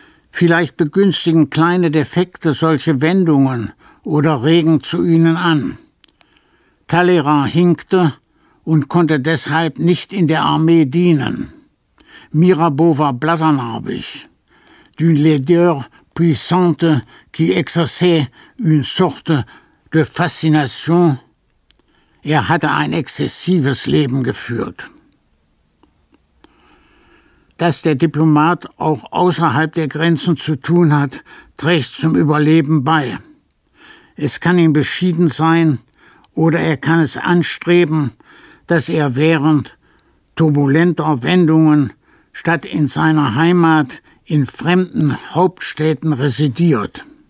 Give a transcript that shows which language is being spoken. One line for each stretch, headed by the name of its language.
German: Vielleicht begünstigen kleine Defekte solche Wendungen oder regen zu ihnen an. Talleyrand hinkte und konnte deshalb nicht in der Armee dienen. Mirabeau war blatternarbig.
French: D'une laideur puissante qui exerçait une sorte de fascination.
German: Er hatte ein exzessives Leben geführt. Dass der Diplomat auch außerhalb der Grenzen zu tun hat, trägt zum Überleben bei. Es kann ihm beschieden sein oder er kann es anstreben, dass er während turbulenter Wendungen statt in seiner Heimat in fremden Hauptstädten residiert.